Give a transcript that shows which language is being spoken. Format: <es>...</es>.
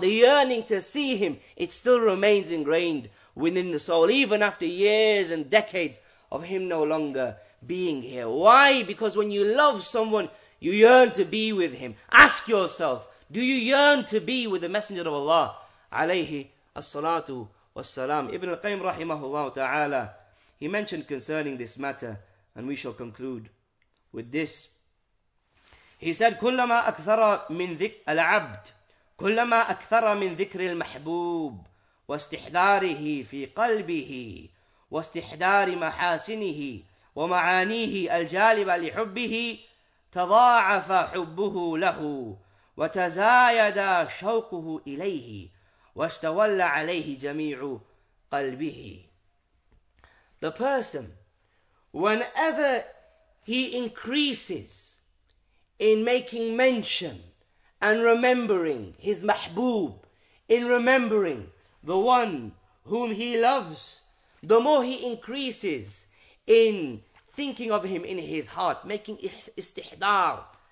<en>The yearning to see him, it still remains ingrained within the soul, even after years and decades of him no longer being here. Why? Because when you love someone, You yearn to be with him. Ask yourself, do you yearn to be with the Messenger of Allah alayhi as-salatu was-salam? Ibn al-Qayyim rahimahullah ta'ala, he mentioned concerning this matter, and we shall conclude with this. He said,</en> <ar>كلما أكثر من ذكر العبد كلما أكثر من ذكر المحبوب واستحضاره في قلبه واستحضار محاسنه ومعانيه الجالبة لحبه تضاعف حبه له وتزايد شوقه إليه واستولى عليه جميع قلبه.</ar> <en>The person, whenever he increases in making mention and remembering his mahbub, in remembering the one whom he loves, the more he increases in thinking of him in his heart, making istihdar,</en>